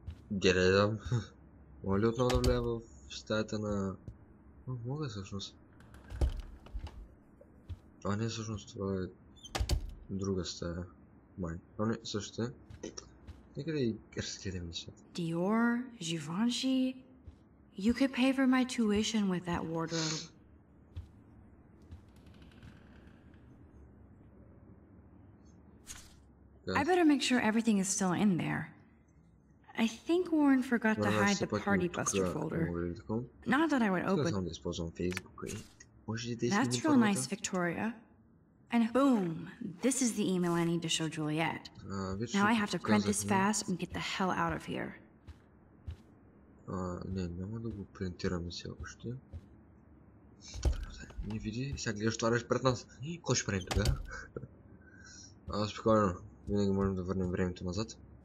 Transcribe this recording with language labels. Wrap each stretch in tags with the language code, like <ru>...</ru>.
<bg>Гледам. Мога ли отново да влея в стаята на... мога всъщност. А не всъщност това е друга стая. Май. А не същата. Нека да и разгледам нещата.</bg> <en>Dior, Givenchy... You could pay for my tuition with that wardrobe. I better make sure everything is still in there. I think Warren forgot to hide the party buster folder. Not that I would open. That's real nice, Victoria. And boom, this is the email I need to show Juliet. Now I have to print this fast and get the hell out of here.</en> <bg>Не, няма да го принтираме все още. Не види, сега гледаш това пред нас. И какво ще правим тога? Спокойно. Винаги можем да върнем времето назад.</bg>